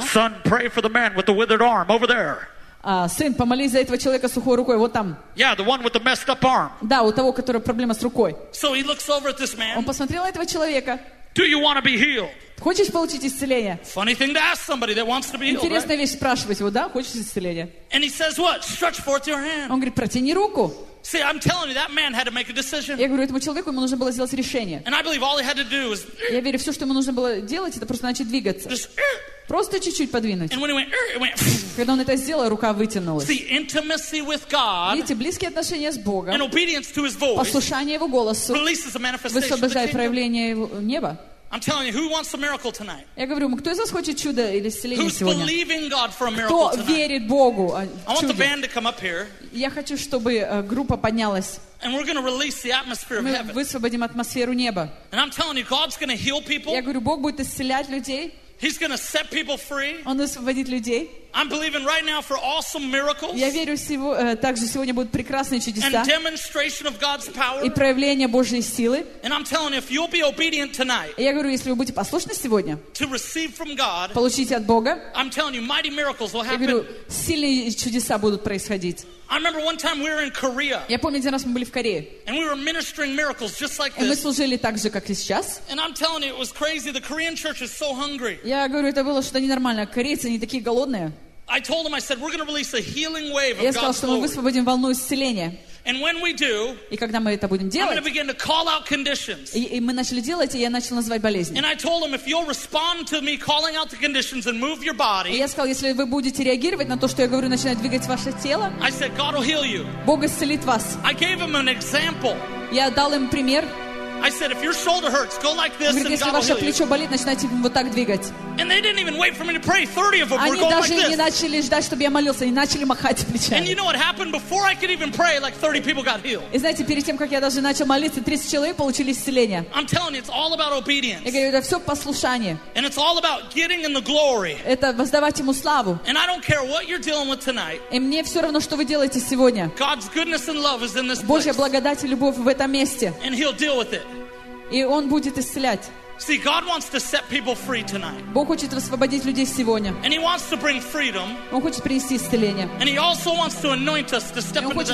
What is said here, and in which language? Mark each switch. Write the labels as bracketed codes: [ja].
[en] Son, pray for the man with the withered arm over there. [ru] Сын, помолись за этого человека с сухой рукой, вот там. [en] Yeah, the one with the messed up arm. [ru] Да, у того, у которого проблема с рукой. [en] So he looks over at this man. [ru] Он посмотрел на этого человека. [en] Do you want to be healed? [ru] Хочешь получить исцеление? [en] Funny thing to ask somebody that wants to be healed. [ru] Интересная вещь спрашивать его, да, хочешь исцеление? [en] And he says what? Stretch forth your hand. [ru] Он говорит, протяни руку. [en] See, I'm telling you, that man had to make a decision. [ru] Я говорю, этому человеку ему нужно было сделать решение. [en] And I believe all he had to do was. [ru] Я верю, все, что ему нужно было делать, это просто начать двигаться. [en] Just. [ru] Просто чуть-чуть подвинуть. [en] And when it went, [ru] когда он это сделал, рука вытянулась. [en] See, intimacy with God, [ru] видите, близкие отношения с Богом, [en] and obedience to His voice, [ru] послушание Его голосу, [en] releases a manifestation [ru] высвобождает проявление неба. [en] I'm telling you, who wants a miracle tonight? [ru] Я говорю, кто из вас хочет чудо или исцеление [en] Who's [ru] сегодня? [en] Believing God for a miracle [ru] кто [en] tonight? [ru] Верит Богу в чудо? [en] I want the band to come up here, [ru] я хочу, чтобы группа поднялась. [en] And we're going to release the atmosphere of heaven. [ru] Мы высвободим атмосферу неба. [en] And I'm telling you, God's going to heal people. [ru] Я говорю, Бог будет исцелять людей. [en] He's going to set people free. [ru] Он освободит людей. [en] I'm believing right now for awesome miracles. [ru] Я верю также сегодня будут прекрасные чудеса. [en] And demonstration of God's power. [ru] И проявление Божьей силы. [en] And I'm telling you, if you'll be obedient tonight. [ru] Я говорю, если вы будете послушны сегодня. [en] To receive from God. [ru] Получите от Бога. [en] I'm telling you, mighty miracles will happen. [ru] Я говорю, сильные чудеса будут происходить. [en] I remember one time we were in Korea. [ru] Я помню, один раз мы были в Корее. [en] And we were ministering miracles just like this. [ru] И мы служили так же, как и сейчас. [en] And I'm telling you, it was crazy. The Korean church is so hungry. [ru] Я говорю, это было что-то ненормальное. Корейцы не такие голодные. [en] I told them, I said, we're going to release a healing wave of God's glory. [ru] Я сказал, что мы высвободим волну исцеления. [en] And when we do, [ru] и когда мы это будем делать, [en] I'm going to begin to call out conditions. [ru] И мы начали делать, и я начал называть болезни. [en] And I told them, if you'll respond to me calling out the conditions and move your body, [ru] и я сказал, если вы будете реагировать на то, что я говорю, начинать двигать ваше тело, [en] I said, God will heal you. [ru] Бог исцелит вас. [en] I gave them an example. [ru] Я дал им пример. [en] I said, if your shoulder hurts, go like this, [ru] говорит, [en] and God will heal you. [ru] Если ваше плечо болит, начинайте вот так двигать. [en] And they didn't even wait for me to pray. 30 of them [ru] они [en] were going like this. [ru] Они даже не начали ждать, чтобы я молился, они начали махать плечами. [en] And you know what happened before I could even pray? Like 30 people got healed. [ru] И знаете, перед тем как я даже начал молиться, 30 человек получили исцеление. [en] I'm telling you, it's all about obedience. [ru] Я говорю, это все послушание. [en] And it's all about getting in the glory. [ru] Это воздавать ему славу. [en] And I don't care what you're dealing with tonight. [ru] И мне все равно, что вы делаете сегодня. [en] God's goodness and love is in this place. [ru] Божья благодать и любовь в этом месте. [en] And He'll deal with it. [ru] И он будет исцелять. [en] See, God wants to set people free tonight. [ru] Бог хочет освободить людей сегодня. [en] And he wants to bring freedom. [ru] Он хочет принести исцеление. [en] And he also wants to anoint us to step into the next